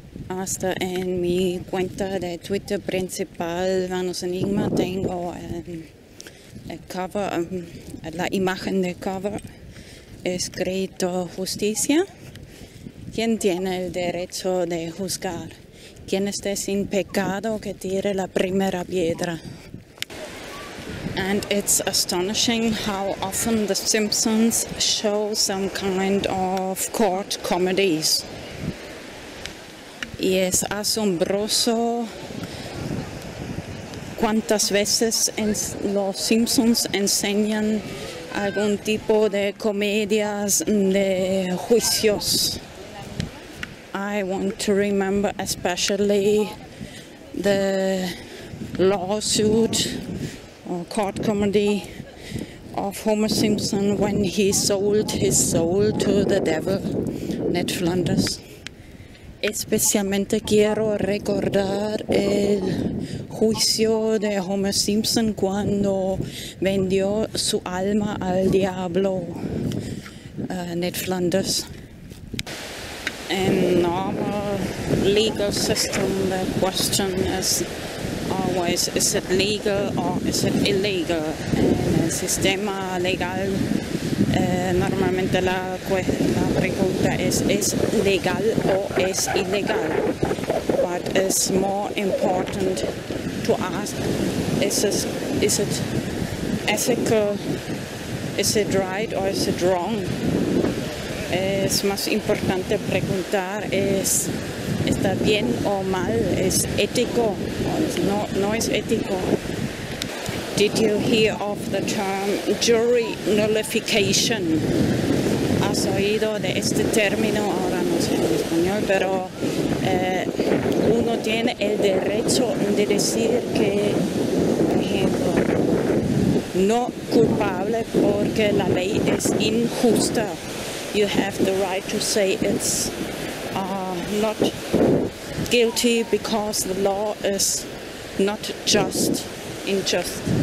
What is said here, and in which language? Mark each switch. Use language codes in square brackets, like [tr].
[es] Hasta en mi cuenta de Twitter principal, Vanos Enigma, tengo el cover, la imagen de cover, escrito justicia. ¿Quién tiene el derecho de juzgar? ¿Quién esté sin pecado que tire la primera piedra? [en] And it's astonishing how often The Simpsons show some kind of court comedies. [es] Y es asombroso cuántas veces los Simpsons enseñan algún tipo de comedias de juicios. [en] I want to remember especially the lawsuit or court comedy of Homer Simpson when he sold his soul to the devil, Ned Flanders. [es] Especialmente quiero recordar el juicio de Homer Simpson cuando vendió su alma al diablo, Ned Flanders. [en] In normal legal system, the question is always, is it legal or is it illegal? [es] En el sistema legal, normalmente la pregunta es legal o es ilegal? [en] But it's more important to ask, is it ethical, is it right or is it wrong? [es] Es más importante preguntar, ¿está bien o mal? ¿Es ético? No es ético. [en] Did you hear of the term jury nullification? [es] ¿Has oído de este término? Ahora no sé en español, pero uno tiene el derecho de decir que, por ejemplo, no culpable porque la ley es injusta. [en] You have the right to say it's not guilty because the law is not just, unjust.